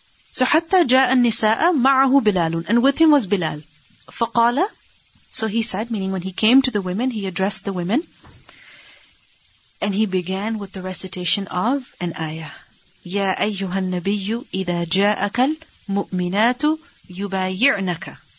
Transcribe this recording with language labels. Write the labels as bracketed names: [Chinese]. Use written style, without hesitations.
[Arabic] So حتى جاء النساء معه بلال. [English] And with him was بلال. فقال. So he said, meaning when he came to the women, he addressed the women. And he began with the recitation of an ayah. [Arabic] يا أيها النبي إذا جاءك المؤمنات يبايعنك.